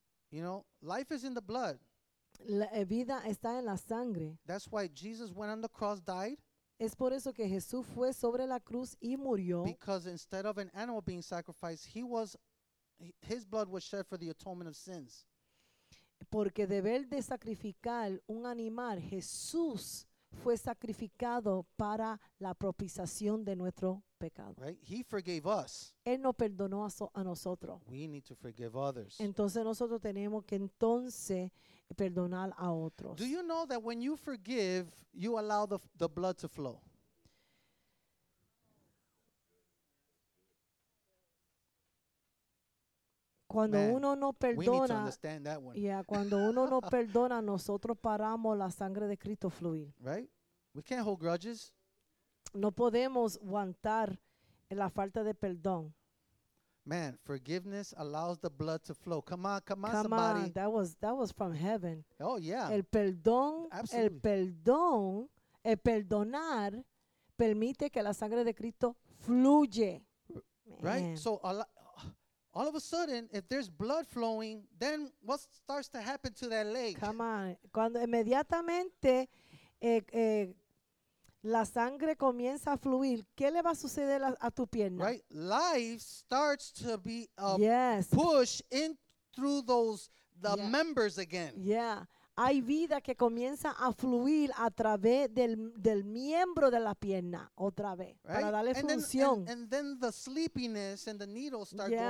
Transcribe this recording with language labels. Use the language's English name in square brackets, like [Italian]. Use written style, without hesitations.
[English] You know, life is in the blood. [Spanish] La vida está en la sangre. [English] That's why Jesus went on the cross, died. [Spanish] Es por eso que Jesús fue sobre la cruz y murió. [English] Because instead of an animal being sacrificed, his blood was shed for the atonement of sins. [Spanish] Porque deber de sacrificar un animal, Jesús fue sacrificado para la propiciación de nuestro pecado. [English] Right? He forgave us. [Spanish] Él nos perdonó a nosotros. [English] We need to forgive others. [Spanish] Entonces nosotros tenemos que perdonar a otros. [English] Do you know that when you forgive, you allow the blood to flow? [Spanish] Cuando uno no perdona, [English] we need to understand that one. [Spanish] Yeah, cuando uno no perdona, nosotros paramos la sangre de Cristo fluir. [English] Right? We can't hold grudges. [Spanish] No podemos aguantar la falta de perdón. [English] Man, forgiveness allows the blood to flow. Come on, somebody. That was from heaven. Oh yeah. [Spanish] El perdón, [English] absolutely. [Spanish] El perdón, el perdonar permite que la sangre de Cristo fluye. [English] Man. Right? So all of a sudden, if there's blood flowing, then what starts to happen to that leg? Come on. [Spanish] Cuando inmediatamente la sangre comienza a fluir. ¿Qué le va a suceder a tu pierna? [English] Right, life starts to be a yes. push in through those the yeah. members again. [Spanish] Yeah, hay vida que comienza a fluir a través del miembro de la pierna otra vez [English] right? [Spanish] para darle [English] and [Spanish] función. [English] Then, and then the sleepiness and the needles start yeah.